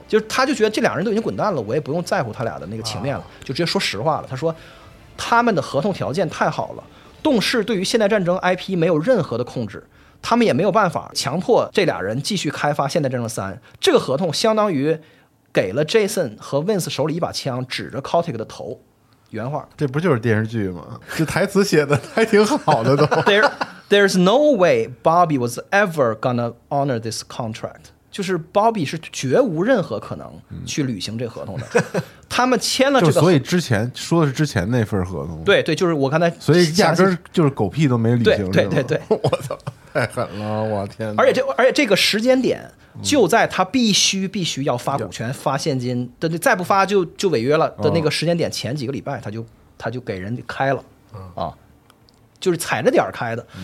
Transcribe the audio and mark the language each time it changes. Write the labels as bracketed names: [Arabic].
[Chinese] 就是他就觉得这两人都已经滚蛋了，我也不用在乎他俩的那个情面了，就直接说实话了。他说他们的合同条件太好了，动视对于现代战争 IP 没有任何的控制，他们也没有办法强迫这俩人继续开发现代战争三，这个合同相当于给了 Jason 和 Vince 手里一把枪，指着 Kotick 的头，原话。这不就是电视剧吗？这台词写的还挺好的都。 [English] There's no way Bobby was ever gonna honor this contract. [Chinese] 就是 Bobby 是绝无任何可能去履行这合同的。他们签了这个，就所以之前说的是之前那份合同。对对，就是我刚才。所以压根就是狗屁都没履行。对对对对，我操，太狠了，我天哪！而且这个时间点。就在他必须要发股权发现金的，再不发就违约了的那个时间点前几个礼拜，他就给人开了啊，就是踩着点开的。